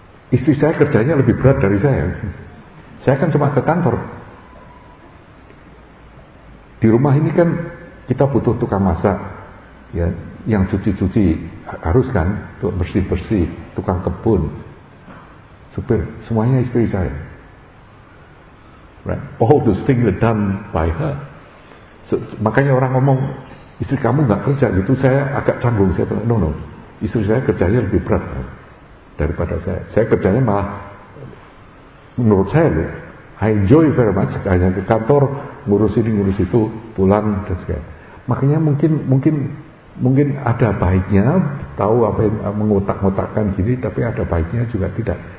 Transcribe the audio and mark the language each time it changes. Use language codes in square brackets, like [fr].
[id] Istri saya kerjanya lebih berat dari saya. Saya kan cuma ke kantor. Di rumah ini kan kita butuh tukang masak, ya, yang cuci-cuci harus kan, untuk bersih-bersih, tukang kebun, supir, semuanya istri saya. [en] Right? All those things are done by her. [id] So, makanya orang ngomong istri kamu nggak kerja gitu, saya agak canggung. Saya bilang no, istri saya kerjanya lebih berat daripada saya. Saya kerjanya malah menurut saya loh, [en] I enjoy very much. [id] Hanya ke kantor ngurus ini ngurus itu, pulang dan segala. Makanya mungkin ada baiknya tahu apa yang mengotak-ngotakkan gini, tapi ada baiknya juga tidak.